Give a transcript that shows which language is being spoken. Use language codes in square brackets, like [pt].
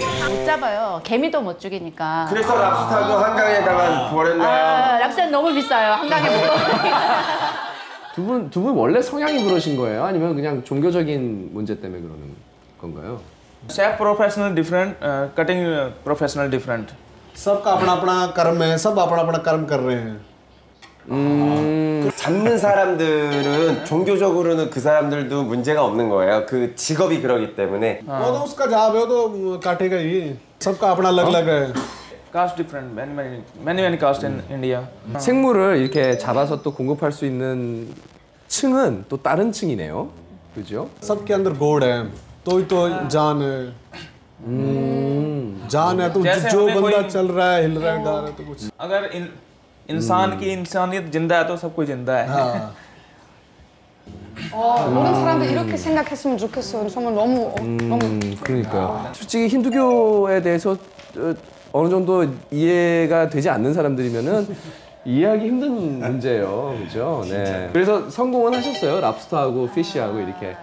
[ko] 못 잡아요. 개미도 못 죽이니까. 그래서 랍스타도 한강에다가 버렸나요? 랍스타는 너무 비싸요. 한강에 못 버리니까. 두 분 원래 성향이 그러신 거예요? 아니면 그냥 종교적인 문제 때문에 그러는 거예요? [en] Chef professional different, cutting professional different. [hi] सबका अपना अपना कर्म है, सब अपना अपना कर्म कर रहे हैं. [ko] 잡는 사람들은 종교적으로는 그 사람들도 문제가 없는 거예요. 그 직업이 그러기 때문에. 모두 [hi] उसका जॉब है तो काटेगा ही. सबका अपना अलग अलग है. Caste different, many caste in India. [ko] 생물을 이렇게 잡아서 또 공급할 수 있는 층은 또 다른 층이네요. 그죠? 섭기 안들 고래. 또 [hi] जान है जान है तो जो बंदा चल रहा है हिल रहा है गा रहा है तो कुछ अगर इंसान की इंसानियत जिंदा है तो सब कोई जिंदा है [ko] 모든 사람들 이렇게 생각했으면 좋겠어요. 정말 너무 그러니까 솔직히 힌두교에 대해서 어느 정도 이해가 되지 않는 사람들이면은 이해하기 힘든 문제예요, 그렇죠? 네. 그래서 성공은 하셨어요, 랍스터하고 피쉬하고 이렇게.